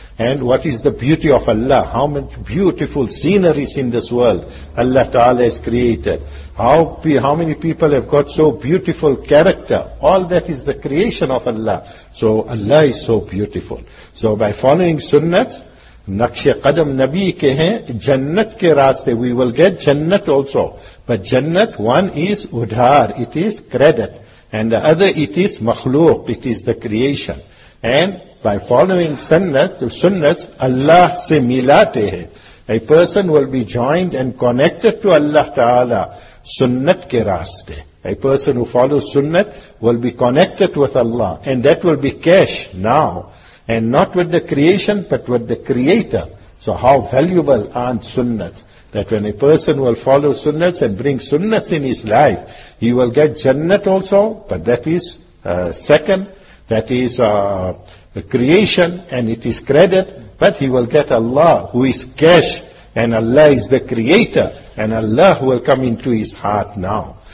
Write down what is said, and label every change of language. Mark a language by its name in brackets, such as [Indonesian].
[English] And what is the beauty of Allah? How much beautiful scenery is in this world Allah Ta'ala has created. How many people have got so beautiful character. All that is the creation of Allah. So Allah is so beautiful. So by following sunnahs, [Urdu] نقش قدم نبی کے ہیں جنت کے راستے. [English] We will get جنت also, but جنت one is ادھار, it is credit, and the other it is مخلوق, it is the creation. And by following سنت, [Urdu] سنت اللہ سے ملاتے ہیں. [English] a person will be joined and connected to Allah تعالی [Urdu] سنت کے راستے. [English] A person who follows sunnah will be connected with Allah, and that will be cash now, and not with the creation but with the creator. So how valuable aren't sunnahs? That when a person will follow sunnahs and bring sunnahs in his life, he will get jannat also, but that is second, that is creation, and it is credit, but he will get Allah who is cash, and Allah is the creator, and Allah will come into his heart now.